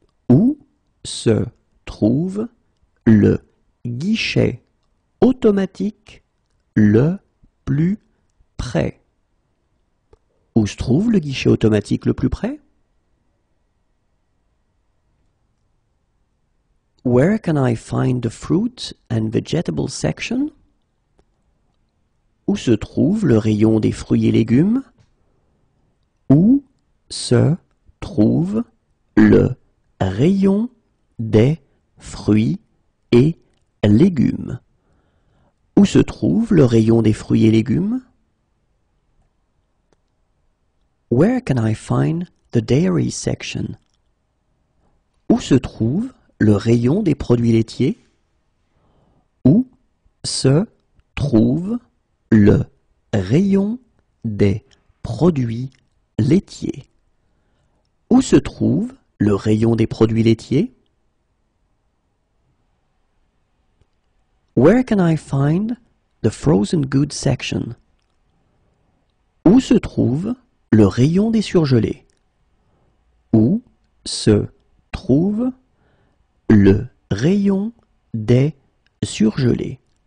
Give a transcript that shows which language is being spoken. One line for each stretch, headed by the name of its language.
French: Où se trouve le guichet automatique le plus près? Où se trouve le guichet automatique le plus près?
English: Where can I find the fruit and vegetable section?
French: Où se trouve le rayon des fruits et légumes? Où se trouve le rayon des fruits et légumes? Où se trouve le rayon des fruits et légumes?
English: Where can I find the dairy section?
French: Où se trouve le rayon des produits laitiers? Où se trouve le rayon des produits laitiers? Où se trouve le rayon des produits laitiers?
English: Where can I find the frozen goods section?
French: Où se trouve le rayon des surgelés? Où se trouve le rayon des surgelés?